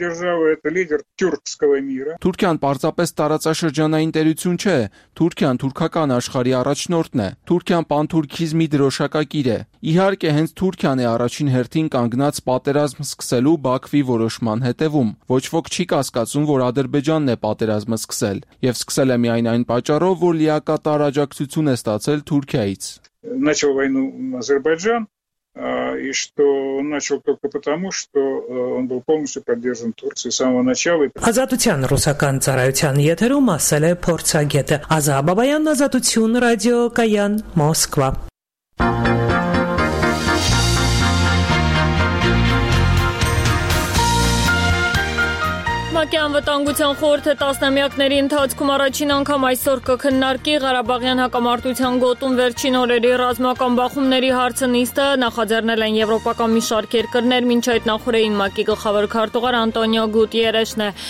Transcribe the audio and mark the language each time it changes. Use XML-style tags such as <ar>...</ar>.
<hy>Թուրքիան պարզապես տարածաշրջան ներդրություն չէ, Թուրքիան թուրքական աշխարհի առաջնորդն է, Թուրքիան պանթուրքիզմի դրոշակագիր է։ Իհարկե, հենց Թուրքիան է առաջին հերթին կանգնած պատերազմ սկսելու Բաքվի որոշման հետևում։ Ոչ ոք չի կասկածում, որ Ադրբեջանն է պատերազմը սկսել, եւ սկսել է միայն այն պատճառով, որ լիակատար աջակցություն է ստացել Թուրքիայից։</hy> <ru>Начал войну Азербайджан, и что начал только потому, что он был полностью поддержан Турцией с самого начала.</ru> <hy>Ազատության ռուսական ծառայության եթերում ասել է փորձագետը Ազա Բաբայան, Ազատություն ռադիո Կայան, Մոսկվա։ ՀԱՊԿ-ի անվտանգության խորհրդի տասնամյակների ընթացքում առաջին անգամ այսօր կքննարկի Ղարաբաղյան հակամարտության գոտում վերջին օրերի ռազմական բախումների հարցը։ Նիստը նախաձեռնել են Եվրոպական մի շարք երկրներ, մինչ այդ նախորդին ՄԱԿ-ի գլխավոր քարտուղար Անտոնիո Գուտիերեշն է</hy>